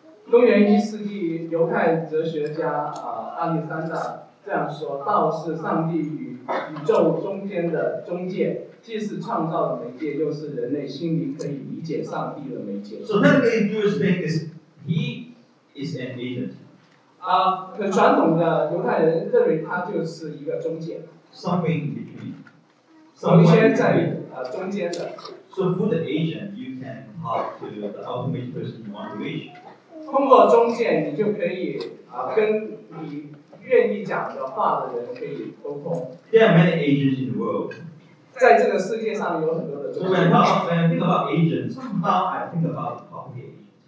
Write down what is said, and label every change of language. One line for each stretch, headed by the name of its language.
Chinese: 公元一世纪，犹太哲学家亚历山大这样说：道是上帝与宇宙中间的中介，既是创造的媒介，又是人类心灵可以理解上帝的媒介。
English: So that the Jewish thing is he is an agent.
Chinese: 可传统的犹太人认为他就是一个中介。
English: Something in between.
Chinese: 有一些在中间的。
English: So for the agent, you can. Talk to the ultimate person you want to reach.
Chinese: 通过中介，你就可以跟你愿意讲的话的人可以沟通。
English: There are many agents in the world.
Chinese: 在这个世界上有很多的中介。
English: So when I think about agents, somehow I think about coffee agents.